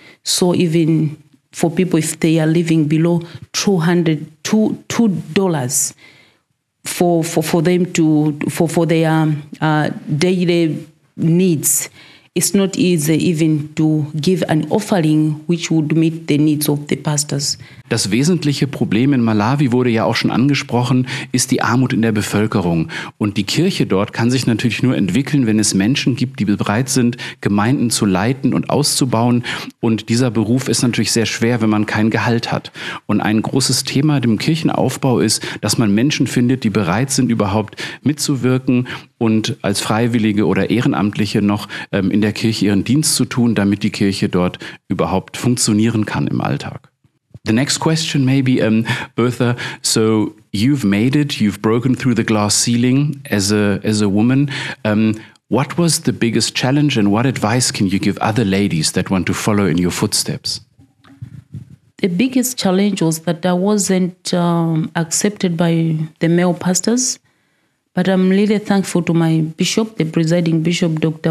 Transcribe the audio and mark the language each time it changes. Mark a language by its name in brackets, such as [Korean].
[English] So even for people, if they are living below $202, for their daily needs, it's not easy even to give an offering which would meet the needs of the pastors. [German] Das wesentliche Problem in Malawi wurde ja auch schon angesprochen, ist die Armut in der Bevölkerung. Und die Kirche dort kann sich natürlich nur entwickeln, wenn es Menschen gibt, die bereit sind, Gemeinden zu leiten und auszubauen. Und dieser Beruf ist natürlich sehr schwer, wenn man kein Gehalt hat. Und ein großes Thema im Kirchenaufbau ist, dass man Menschen findet, die bereit sind, überhaupt mitzuwirken und als Freiwillige oder Ehrenamtliche noch in der Kirche ihren Dienst zu tun, damit die Kirche dort überhaupt funktionieren kann im Alltag. [English] The next question maybe, Bertha, so you've made it, you've broken through the glass ceiling as a woman. What was the biggest challenge, and what advice can you give other ladies that want to follow in your footsteps? The biggest challenge was that I wasn't accepted by the male pastors, but I'm really thankful to my bishop, the presiding bishop, Dr.